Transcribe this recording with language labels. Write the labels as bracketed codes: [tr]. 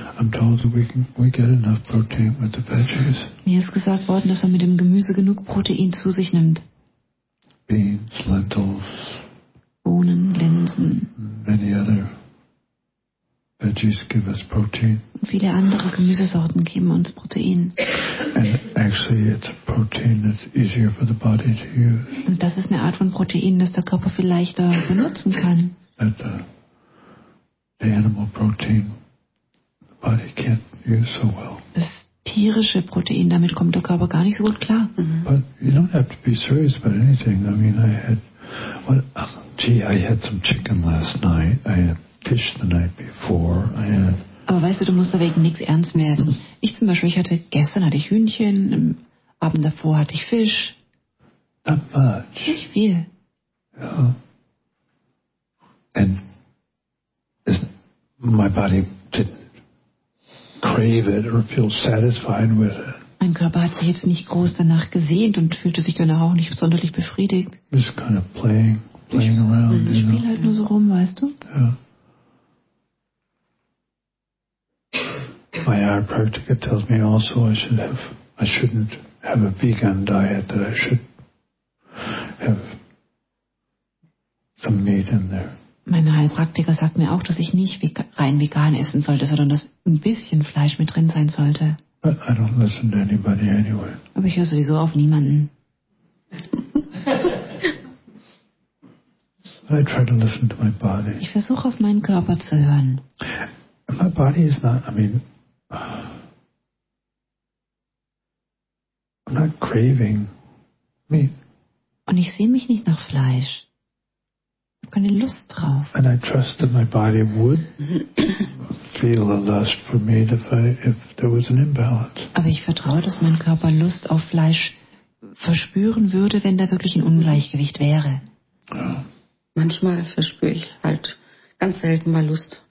[en] I'm told that we get enough protein with the veggies. [de] Mir ist gesagt worden, dass man mit dem Gemüse genug Protein zu sich nimmt. [en] Beans, lentils. [de] Bohnen, Linsen. [en] Many other veggies give us protein. [de] Und viele andere Gemüsesorten geben uns Protein. [en] And actually it's protein that's easier for the body to use. [de] Und das ist eine Art von Protein, das der Körper viel leichter benutzen kann. [en] That the animal protein the body can't use so well. [de] Das tierische Protein, damit kommt der Körper gar nicht so gut klar. [en] But you don't have to be serious about anything. I mean, I had, I had some chicken last night. I had fish the night before. I had. [de] Aber weißt du, du musst da wegen nichts ernst werden. Ich zum Beispiel, gestern hatte ich Hühnchen, am Abend davor hatte ich Fisch. [en] Not much. [de] Nicht viel. Ja. [en] And my body didn't crave it or feel satisfied with it. [de] Mein Körper hat sich jetzt nicht groß danach gesehnt und fühlte sich dann auch nicht besonders befriedigt. [en] Just kind of playing around. [de] Ich spiele halt nur so rum, weißt du? Ja. Yeah. [en] My chiropractor tells me also I shouldn't have a vegan diet, that I should have some meat in there. [de] Mein Heilpraktiker sagt mir auch, dass ich nicht rein vegan essen sollte, sondern dass ein bisschen Fleisch mit drin sein sollte. [en] But I don't listen to anybody anyway. [de] Aber ich höre sowieso auf niemanden. [en] I try to listen to my body. [de] Ich versuche auf meinen Körper zu hören. [en] My body is not, I mean, I'm not craving meat. [de] Und ich sehe mich nicht nach Fleisch. Ich habe keine Lust drauf. [en] And I trust that my body would feel a lust for meat if there was an imbalance. [de] Aber ich vertraue, dass mein Körper Lust auf Fleisch verspüren würde, wenn da wirklich ein Ungleichgewicht wäre. Ja. Manchmal verspüre ich halt ganz selten mal Lust.